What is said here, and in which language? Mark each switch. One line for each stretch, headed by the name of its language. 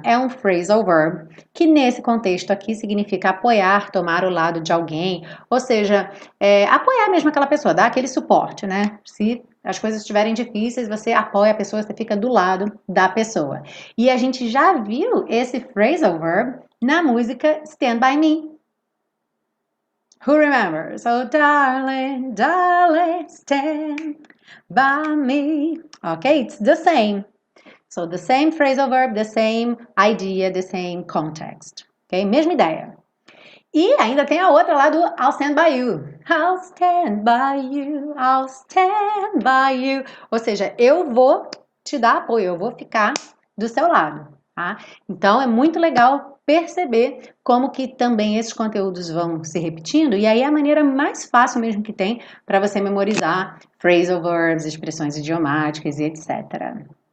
Portuguese: É um phrasal verb que nesse contexto aqui significa apoiar, tomar o lado de alguém, ou seja, apoiar mesmo aquela pessoa, dar aquele suporte, né? Se as coisas estiverem difíceis, você apoia a pessoa, você fica do lado da pessoa. E a gente já viu esse phrasal verb na música Stand By Me.
English: Who remembers? Oh, darling, darling, stand by me. Okay, it's the same. So, the same phrasal verb, the same idea, the same context. Okay,
Portuguese: mesma ideia.
English: E ainda tem a outra lá do I'll stand by you. I'll stand by you, I'll stand by you.
Portuguese: Ou seja, eu vou te dar apoio, eu vou ficar do seu lado, tá? Então, é muito legal perceber como que também esses conteúdos vão se repetindo, e aí é a maneira mais fácil mesmo que tem para você memorizar phrasal verbs, expressões idiomáticas e etc.